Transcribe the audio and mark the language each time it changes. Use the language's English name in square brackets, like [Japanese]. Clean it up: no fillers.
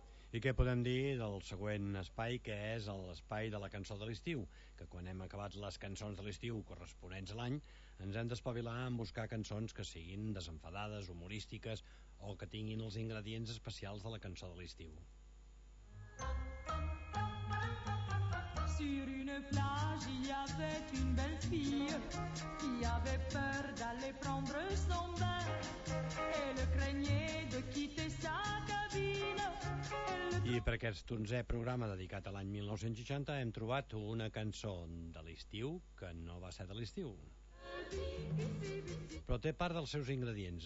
[Catalan] I què podem dir del següent espai, que és l'espai de la cançó de l'estiu, que quan hem acabat les cançons de l'estiu corresponents a l'any, ens hem d'espavilar en buscar cançons que siguin desenfadades, humorístiques, o que tinguin els ingredients especials de la cançó de l'estiu. [French] Sur une plage il y avait une belle fille qui avait peur d'aller prendre son bain. Elle craignait de quitter sa cabine. [Catalan] I per aquest 11è programa dedicat a l'any 1960 hem trobat una cançó de l'estiu que no va ser de l'estiu, però té part dels seus ingredients.